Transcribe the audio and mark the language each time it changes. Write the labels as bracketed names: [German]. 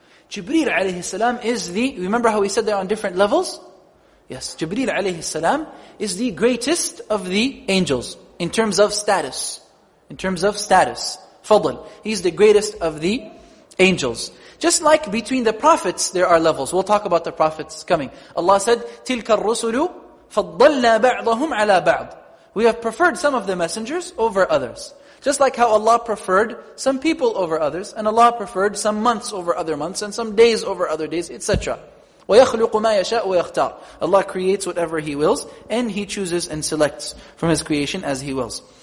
[English] Jibreel alayhi salam is the, remember how we said they're on different levels? Yes, Jibreel alayhi salam is the greatest of the angels in terms of status. In terms of status, fadl. He's the greatest of the angels. Just like between the prophets, there are levels. We'll talk about the prophets coming. [Arabic] Allah said, تِلْكَ الرُّسُلُ فَضَّلْنَا بَعْضَهُمْ عَلَىٰ بَعْضٍ. [English] We have preferred some of the messengers over others. Just like how Allah preferred some people over others, and Allah preferred some months over other months, and some days over other days, etc. [Arabic] وَيَخْلُقُ مَا يَشَاءُ وَيَخْتَارُ. [English] Allah creates whatever He wills, and He chooses and selects from His creation as He wills.